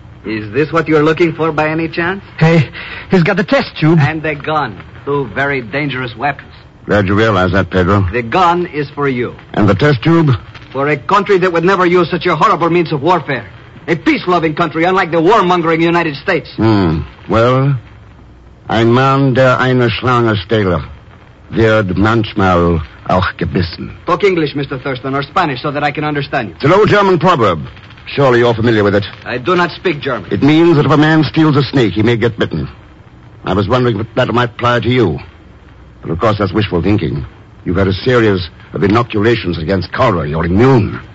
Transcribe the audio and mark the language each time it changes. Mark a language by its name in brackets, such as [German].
[English] Is this what you're looking for by any chance? Hey, he's got the test tube. And the gun. Two very dangerous weapons. Glad you realize that, Pedro. The gun is for you. And the test tube? For a country that would never use such a horrible means of warfare. A peace-loving country, unlike the warmongering United States. Hmm. [German] Well, ein Mann, der eine Schlange stehle, wird manchmal auch gebissen. [English] Talk English, Mr. Thurston, or Spanish, so that I can understand you. It's an old German proverb. Surely you're familiar with it. I do not speak German. It means that if a man steals a snake, he may get bitten. I was wondering if that might apply to you. But of course, that's wishful thinking. You've had a series of inoculations against cholera. You're immune.